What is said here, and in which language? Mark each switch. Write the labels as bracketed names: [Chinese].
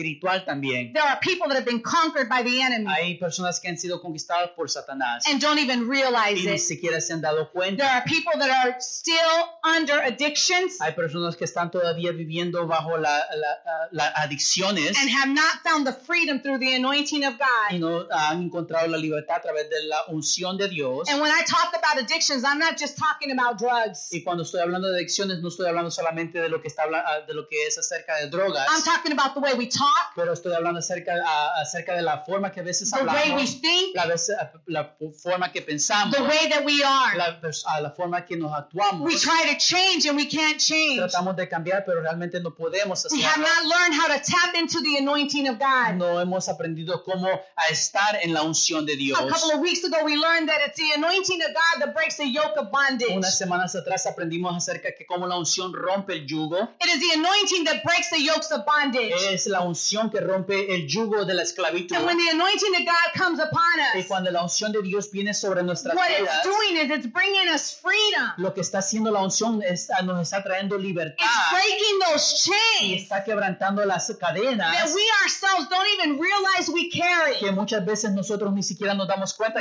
[English] There are people that have been conquered by the enemy. [Spanish] Hay personas que han sido conquistadas por Satanás. [English] And don't even realize [Spanish] it. Y ni siquiera se han dado cuenta. [English] There are people that are still under addictions. [Spanish] Hay personas que están todavía viviendo bajo las adicciones. [English] And have not found the freedom through the anointing of God. [Spanish] Y no han encontrado la libertad a través de la unción de Dios. [English] And when I talk about addictions, I'm not just talking about drugs. [Spanish] Y cuando estoy hablando de adicciones, no estoy hablando solamente de lo que es acerca de drogas. [English] I'm talking about the way we talk. [Spanish] Pero estoy hablando acerca de la forma que a veces hablamos. [English] The way we think. [Spanish] La forma que pensamos. [English] The way that we are. [Spanish] La forma que nos actuamos. [English] We try to change and we can't change. [Spanish] Tratamos de cambiar, pero realmente no podemos hacerlo. [English] We have not learned how to tap into the anointing of God. [Spanish] No hemos aprendido cómo a estar en la unción de Dios. [English] A couple of weeks ago we learned that it's the anointing of God that breaks the yoke of bondage. [Spanish] Unas semanas atrás aprendimos acerca que cómo la unción rompe el yugo. [English] It is the anointing that breaks the yokes of bondage. [Spanish] Es la unción que rompe rompe el yugo de la esclavitud. [English] And when the anointing of God comes upon us, [Spanish] y cuando la unción de Dios viene sobre nuestras [English] what [Spanish] vidas, [English] it's doing is it's bringing us freedom. [Spanish] Lo que está haciendo la unción es, nos está trayendo libertad. [English] It's breaking those chains. [Spanish] Y está quebrantando las cadenas. [English] That we ourselves don't even realize we carry. [Spanish] Que muchas veces nosotros ni siquiera nos damos cuenta